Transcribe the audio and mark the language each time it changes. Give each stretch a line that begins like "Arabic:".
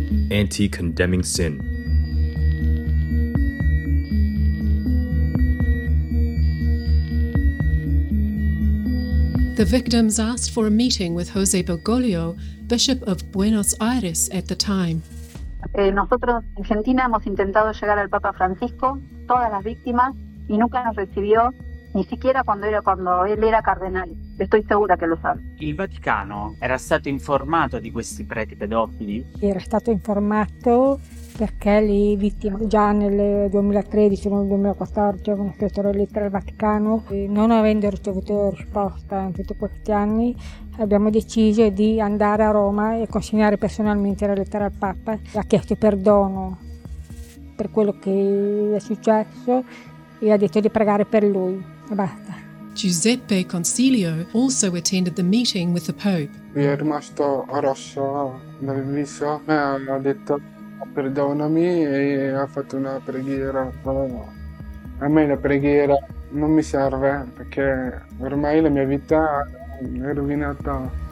English: Anti-condemning sin. The victims asked for a meeting with José Bergoglio, Bishop of Buenos Aires at the time.
Spanish: Nosotros en Argentina hemos intentado llegar al Papa Francisco, todas las víctimas, y nunca nos recibió, ni siquiera cuando él era cardenal. Estoy segura que lo sabe.
Italian: Il Vaticano era stato informato di questi preti pedofili? Era stato informato perché le vittime già nel 2013 o nel 2014 avevano scritto la lettera al Vaticano. E non avendo ricevuto risposta in tutti questi anni, abbiamo deciso di andare a Roma e consegnare personalmente la lettera al Papa. Ha chiesto perdono per quello che è successo e ha detto di pregare per lui. E basta.
English: Giuseppe Consiglio also attended the meeting with the Pope.
Italian: Mi è rimasto rosso dal viso, mi ha detto perdonami e ha fatto una preghiera, però a me la preghiera non mi serve perché ormai la mia vita è rovinata.